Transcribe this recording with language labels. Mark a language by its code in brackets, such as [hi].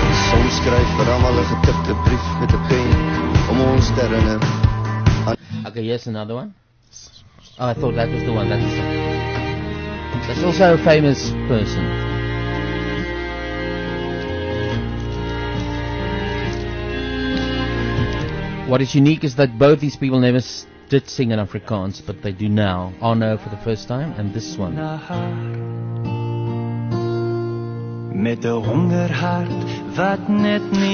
[af] Soms skryf vir hom al 'n getikte brief met 'n pen om ons te herinner. [en] Okay, yes, another one. Oh, I thought that was the one. That's also a famous person. What is unique is that both these people never did sing in Afrikaans, but they do now. Arno for the first time, and this one. [af] Met 'n honger hart wat net nie.